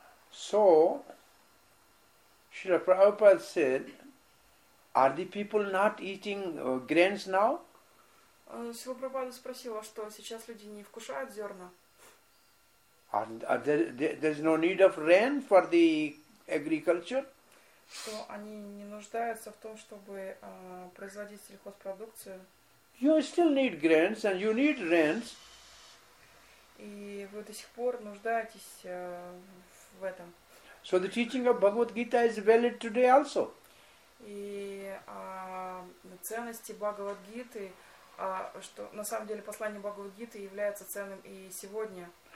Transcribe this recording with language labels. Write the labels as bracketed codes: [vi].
[en] So Srila Prabhupada said, are the people not eating grains now? [ru] Сила Прабхупада спросила, что сейчас люди не вкушают зерна. [en] There's no need of rain for the agriculture? [ru] Что они не нуждаются в том, чтобы производить сельхозпродукцию. [en] You still need grains and you need rains. [ru] И вы до сих пор нуждаетесь в этом. [en] So the teaching of Bhagavad Gita is valid today also. [ru] И ценности Бхагавад Гиты. Что на самом деле послание Бхагавад Гиты является ценным и сегодня.